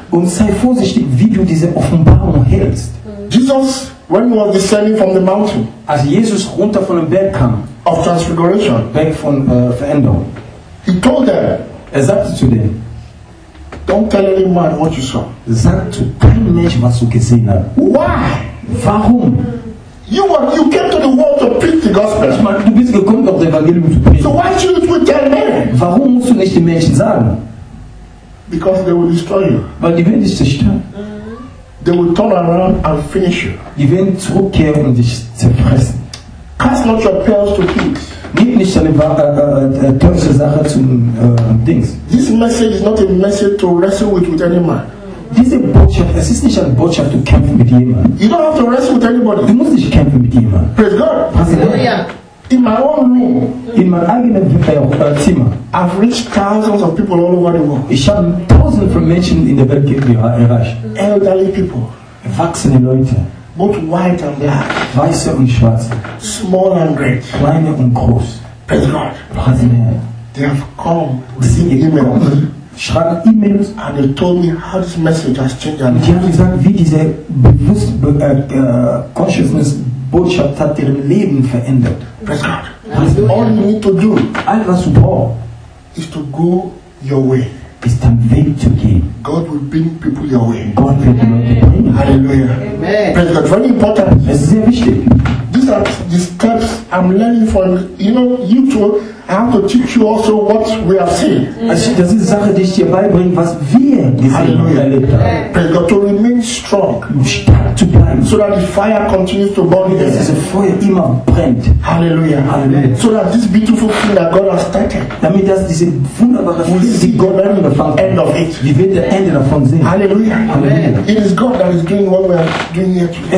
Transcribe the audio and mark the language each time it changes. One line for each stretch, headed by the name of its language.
German: Und sei vorsichtig, wie du diese Offenbarung hältst.
English: Jesus, when he was descending from the mountain,
German: als Jesus runter von dem Berg kam,
English: of transfiguration,
German: weg von Veränderung,
English: he told them,
German: er sagte zu denen,
English: don't tell any man what you saw.
German: Sag zu keinem Mensch, was du gesehen hast.
English: Why?
German: Warum?
English: You came to the world to preach the gospel.
German: Ich meine, du bist gekommen, um das Evangelium zu predigen.
English: So why should you tell men?
German: Warum musst du nicht den Menschen sagen?
English: Because they will destroy you.
German: Weil die werden dich zerstören.
English: They will turn around and finish you.
German: Die werden zurückkehren und dich zerfressen.
English: Cast not your pearls to thieves.
German: Gib nicht deine teuflische Sache zum Dings.
English: This message is not a message to wrestle with any man.
German: Diese Botschaft, es ist nicht eine Botschaft, zu kämpfen mit jemandem.
English: You don't have to wrestle with anybody.
German: Du musst nicht kämpfen mit jemandem.
English: Praise God. Hallelujah. In my own room,
German: in meinem eigenen Zimmer,
English: I've reached thousands of people all over the world.
German: Ich habe tausende von Menschen in der Welt erreicht.
English: Elderly people,
German: erwachsene Leute,
English: both white and black,
German: weiße und schwarze,
English: small and great,
German: kleine und groß.
English: Praise God. Hallelujah. They have come.
German: Sie schreiben E-Mails
English: and they told me how this message has changed their life.
German: Die haben gesagt, wie diese Consciousness-Botschaft hat ihr Leben verändert.
English: Praise God. All you need to do,
German: all was du brauchst,
English: is to go your way.
German: Ist dein Weg zu gehen.
English: God will bring people your way.
German: Gott wird dir Leute bringen. Hallelujah. Amen.
English: Praise God. Very important.
German: Es ist sehr wichtig.
English: These are the steps I'm learning from, you two. I have to teach you also what we have seen.
German: Also, das ist Sache, die ich dir beibringe, was wir gesehen und erlebt haben.
English: Praise God, to remain strong.
German: Stark zu bleiben.
English: So that the fire continues to burn there.
German: Dass das Feuer immer brennt. Hallelujah. Hallelujah.
English: So that this beautiful thing that God has started.
German: Damit das diese wunderbare
English: Thing, die God has started. The end of it.
German: Wie wird der Ende davon sehen? Hallelujah. Hallelujah.
English: It is God that is doing what we are doing here today.